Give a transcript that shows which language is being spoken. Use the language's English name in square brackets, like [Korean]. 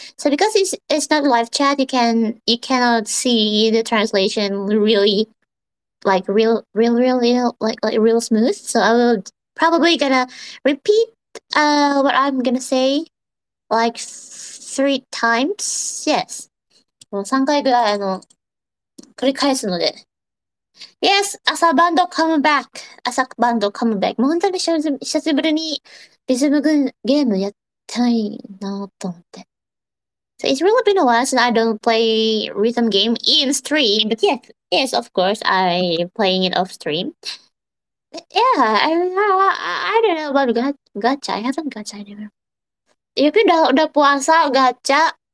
[English] So because it's not live chat, you cannot see the translation really smooth. So I will probably gonna repeat what I'm gonna say like 3 times. Yes. [Japanese] もう3回ぐらい繰り返すので。 [English] Yes! 朝バンド come back! 朝バンド come back! [Japanese] もう本当に久しぶりにリズムゲームやってないなと思って。 [English] So it's really been a while since I don't play rhythm game in stream. But yes, yes, of course, I'm playing it off stream. Yeah, I don't know about gacha. I haven't gacha anymore. [Indonesian] Yopi udah puasa gacha.